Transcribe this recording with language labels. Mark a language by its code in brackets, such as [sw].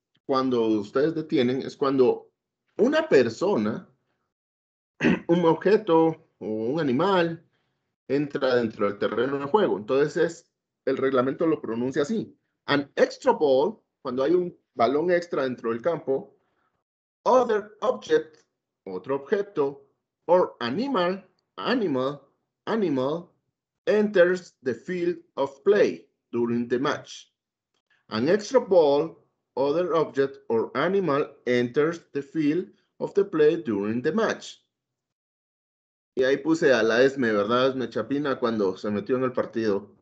[es] Cuando ustedes detienen, es cuando una persona, un objeto o un animal entra dentro del terreno de juego. Entonces, el reglamento lo pronuncia así. [en] An extra ball, [es] cuando hay un balón extra dentro del campo. [en] Other object, [es] otro objeto. [en] Or animal, animal, enters the field of play during the match. An extra ball. Other object or animal enters the field of the play during the match. [es] Y ahí puse a la Esme, ¿verdad? Esme Chapina cuando se metió en el partido.